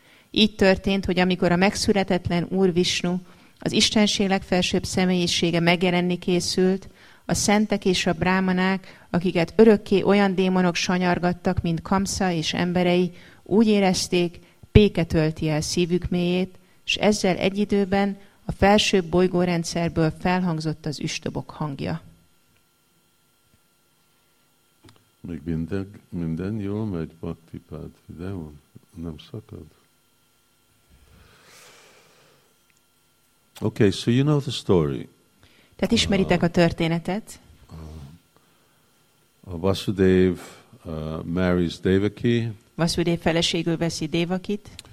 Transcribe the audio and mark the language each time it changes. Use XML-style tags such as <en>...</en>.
<hu>Így történt, hogy amikor a megszületetlen Úr Visnu, az istenség legfelsőbb személyisége megjelenni készült, a szentek és a brámanák, akiket örökké olyan démonok sanyargattak, mint Kamsa és emberei, úgy érezték, béke tölti el szívük mélyét, s ezzel egy időben a felsőbb bolygórendszerből felhangzott az üstöbok hangja. Még minden jól megy, Baktipád videón? Nem szakad?</hu> <en>Okay, so you know the story.</en> <hu>Tehát ismeritek a történetet.</hu> <en>Vasudev marries Devaki.</en> <hu>Vasudev feleségül veszi Devakit.</hu>